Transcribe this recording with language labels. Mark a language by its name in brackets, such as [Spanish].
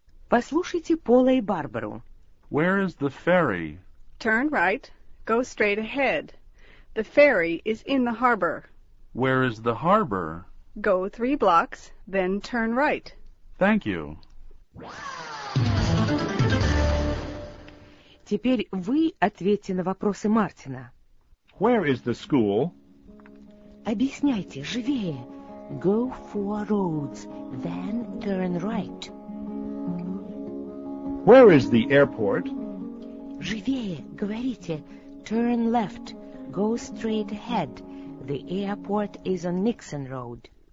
[Russian] Послушайте Пола и Барбару. [English] Where is the ferry? Turn right, go straight ahead. The ferry is in the harbor. Where is the harbor? Go three blocks, then turn right. Thank you. [Russian] Теперь вы ответьте на вопросы Мартина. [English] Where is the school? [Russian] Объясняйте живее. [English] Go four roads, then turn right. Where is the airport? [Russian] Живее, говорите. [English] Turn left. Go straight ahead. The airport is on Nixon Road.